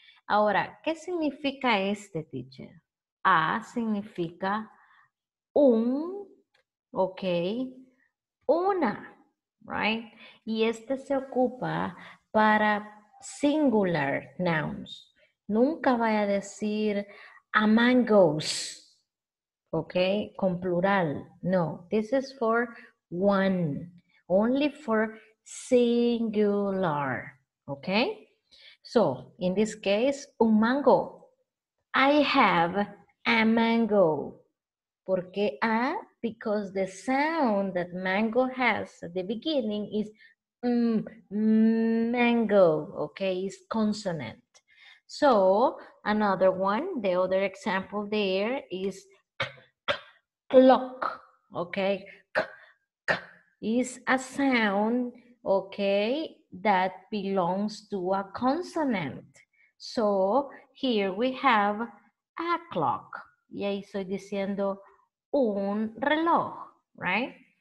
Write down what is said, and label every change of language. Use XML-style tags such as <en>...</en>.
<es>Ahora, ¿qué significa este, teacher? A significa un, ok, una, right? Y este se ocupa para singular nouns. Nunca vaya a decir a mangoes, ok, con plural.</es> <en>No, this is for one, only for singular, ok? So, in this case,</en> <es>un mango.</es> <en>I have a mango.</en> <es>¿Por qué a?</es> <en>Because the sound that mango has at the beginning is mango, okay, is consonant. So, another one, the other example there is clock, okay, is a sound, okay, that belongs to a consonant. So, here we have a clock,</en> <es>y ahí estoy diciendo un reloj,</es> <en>right?</en>